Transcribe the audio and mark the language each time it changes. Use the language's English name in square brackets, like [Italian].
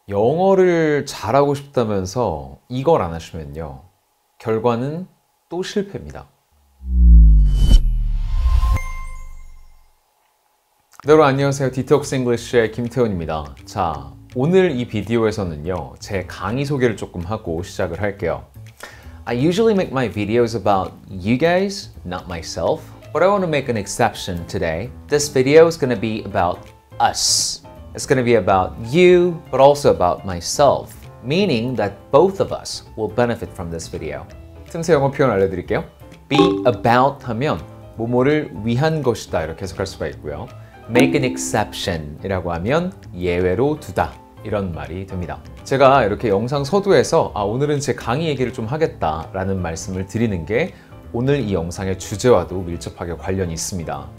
[Korean] 영어를 잘하고 싶다면서 이걸 안 하시면요. 결과는 또 실패입니다. 여러분 안녕하세요. 디톡스 잉글리쉬의 김태훈입니다. 자, 오늘 이 비디오에서는요. 제 강의 소개를 조금 하고 시작을 할게요. [English] I usually make my videos about you guys, not myself. But I want to make an exception today. This video is going to be about us. It's going to be about you, but also about myself, meaning that both of us will benefit from this video. [Korean] 틈새 영어 표현 알려드릴게요. [English] Be about [Korean] 하면 뭐뭐를 위한 것이다 이렇게 해석할 수가 있고요. [English] Make an exception [Korean] 이라고 하면 예외로 두다 이런 말이 됩니다. 제가 이렇게 영상 서두에서 아, 오늘은 제 강의 얘기를 좀 하겠다라는 말씀을 드리는 게 오늘 이 영상의 주제와도 밀접하게 관련이 있습니다.